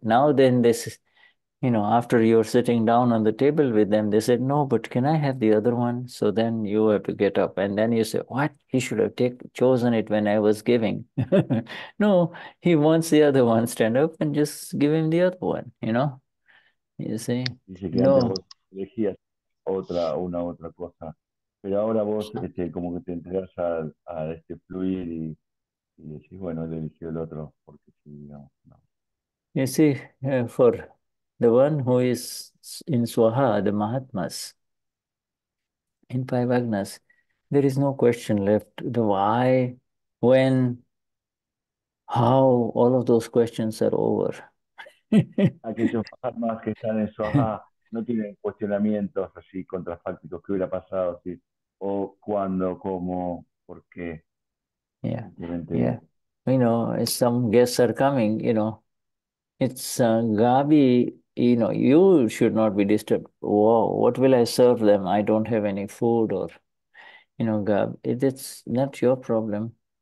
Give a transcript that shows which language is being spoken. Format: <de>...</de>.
<en>Now then, this, you know, after you're sitting down on the table with them, they said, no, but can I have the other one? So then you have to get up. And then you say, what? He should have chosen it when I was giving. No, he wants the other one. Stand up and just give him the other one, you know? You see?</en> <es>Dice que no. Antes vos elegías otra, una otra cosa. Pero ahora vos, este, como que te entregas a este fluir y decís, bueno, él eligió el otro. Porque si, digamos, no.</es> <en>You see, for... The one who is in Swaha, the Mahatmas, in five agnas, there is no question left. The why, when, how, all of those questions are over.</en> <es>Aquellos Mahatmas que están en Swaha no tienen cuestionamientos así contrafácticos que hubiera pasado, ¿sí? O cuándo, cómo, por qué.</es> <en>Yeah. You know, some guests are coming, you know. It's Gabi. You know, you should not be disturbed. Whoa, what will I serve them? I don't have any food or, you know, Gab, it's not your problem.</en>